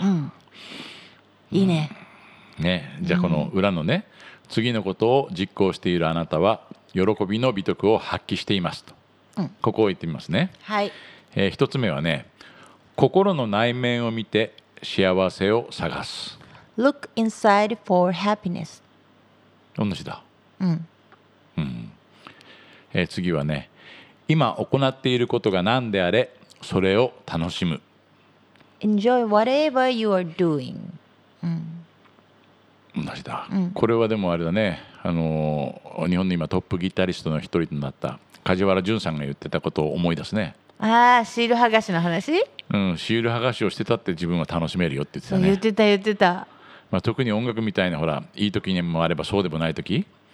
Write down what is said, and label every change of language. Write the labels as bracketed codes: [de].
[ja] うん、いいね。うん、ね、じゃあこの裏のね、うん、次のことを実行しているあなたは喜びの美徳を発揮していますと。うん、ここを言ってみますね。はい。一つ目はね、心の内面を見て幸せを探す。 [en] Look inside for happiness. [ja] 同じだ。うん。うん。次はね、今行っていることが何であれ、それを楽しむ。 [en] Enjoy whatever you are doing. [ja] うん。同じだ。うん、これはでもあれだね、日本の今トップギタリストの一人になった梶原淳さんが言ってたことを思い出すね。ああ、シール剥がしの話？うん、シール剥がしをしてたって自分は楽しめるよって言ってたね。言ってた言ってた。まあ、特に音楽みたいなほらいい時にもあればそうでもない時、